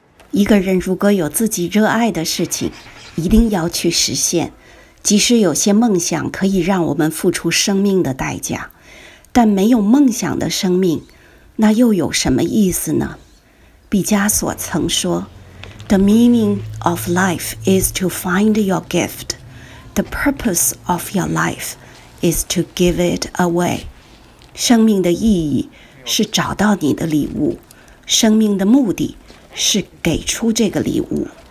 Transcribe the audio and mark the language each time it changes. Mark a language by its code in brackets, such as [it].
[zh] 一个人如果有自己热爱的事情，一定要去实现，即使有些梦想可以让我们付出生命的代价，但没有梦想的生命，那又有什么意思呢？毕加索曾说 [en] The meaning of life is to find your gift. The purpose of your life is to give it away. [zh] 生命的意义是找到你的礼物，生命的目的是给出这个礼物。